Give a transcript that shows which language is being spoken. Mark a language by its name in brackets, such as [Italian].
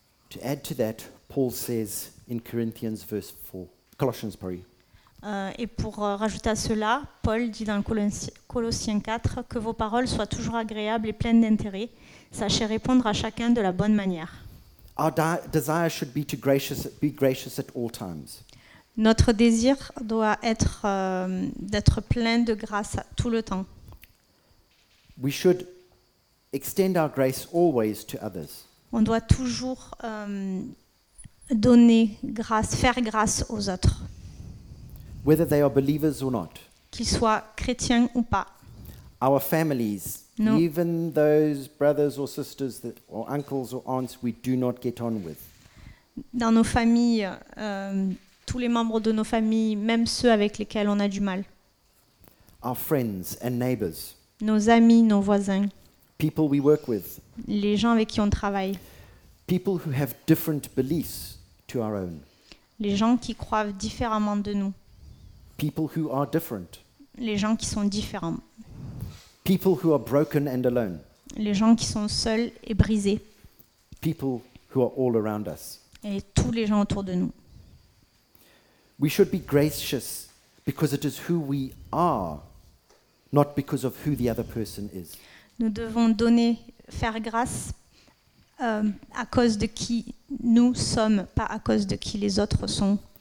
[English] To add to that, Paul says in Corinthians verse 4, Colossians, sorry. [French] Et pour rajouter à cela, Paul dit dans Colossiens 4 que vos paroles soient toujours agréables et pleines d'intérêt. Sachez répondre à chacun de la bonne manière. [English] Our desire should be to be gracious at all times. [French] Notre désir doit être d'être plein de grâce tout le temps. [English] We should extend our grace always to others. [French] On doit toujours donner grâce, faire grâce aux autres. [English] Whether they are believers or not. [French] Qu'ils soient chrétiens ou pas. [English] Our families. [French] Non. [English] Even those brothers or sisters that, or uncles or aunts we do not get on with. [French] Dans nos familles, tous les membres de nos familles, même ceux avec lesquels on a du mal. [English] Our friends and neighbors. [French] Nos amis, nos voisins. [English] People we work with. [French] Les gens avec qui on travaille. [English] People who have different beliefs to our own. [French] Les gens qui croient différemment de nous. [English] People who are different. [French] Les gens qui sont différents. [English] People who are broken and alone. [French] Les gens qui sont seuls et brisés. [English] people who are all around us. [French] Et tous les gens autour de nous. [English] We should be gracious because it is who we are, not because of who the other person is. [French] Nous devons donner, faire grâce à cause de qui nous sommes, pas à cause de qui les autres sont.